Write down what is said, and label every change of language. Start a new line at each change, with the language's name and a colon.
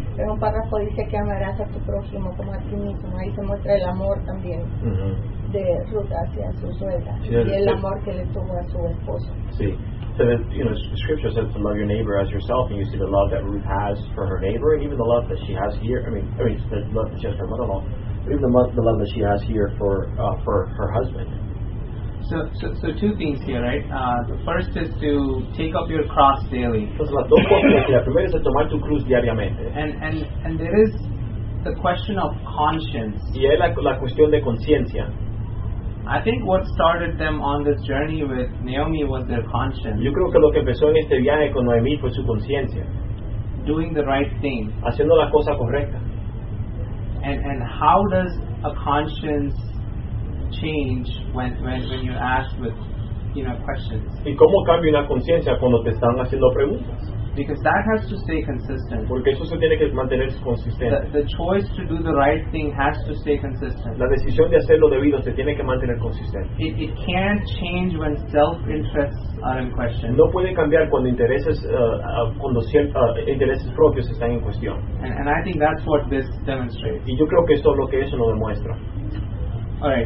Spanish: En un párrafo dice que amarás a tu prójimo como a ti mismo. Ahí se muestra el amor también de Ruth hacia su suegra y el amor que le tuvo a su esposo. Sí.
English: So that, you know, scripture says to love your neighbor as yourself, and you see the love that Ruth has for her neighbor, and even the love that she has here. I mean, the love that she has for her mother-in-law, but even the love that she has here for her husband. So two things here, right? The first is to take up your cross daily. And there is the question of conscience.
Spanish: Y hay la cuestión de conciencia.
English: I think what started them on this journey with Naomi was their conscience.
Spanish: Yo creo que lo que empezó en este viaje con Noemí fue su conciencia.
English: Doing the right thing.
Spanish: Haciendo la cosa correcta.
English: And how does a conscience change when you're asked with, you know, questions?
Spanish: ¿Y cómo cambia la conciencia cuando te están haciendo preguntas?
English: Because that has to stay consistent.
Spanish: Porque eso se tiene que mantener consistente.
English: The choice to do the right thing has to stay consistent.
Spanish: La decisión de hacer lo debido se tiene que mantener consistente.
English: It can't change when self-interests are in question.
Spanish: No puede cambiar cuando intereses intereses propios están en cuestión.
English: And I think that's what this demonstrates.
Spanish: Y yo creo que esto es lo que eso nos demuestra.